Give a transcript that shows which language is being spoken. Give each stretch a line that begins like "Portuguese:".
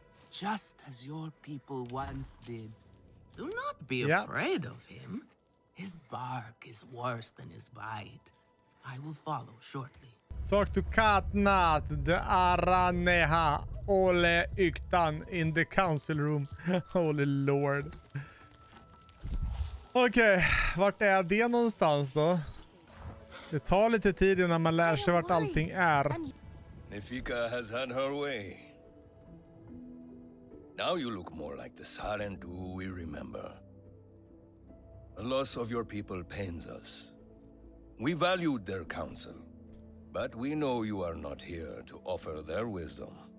English: Just as your people once did. Do not be afraid of him. His bark is worse than his bite. I will follow shortly. Talk to Gatnad, the Araneha, Ole Yktan in the council room. Holy lord.
Swedish: Okej, vart är det någonstans då? Det tar lite tid innan man lär sig vart allting är.
English: Nefika has had her way. Now you look more like the Sarendu we remember. The loss of your people pains us. We valued their counsel, but we know you are not here to offer their wisdom.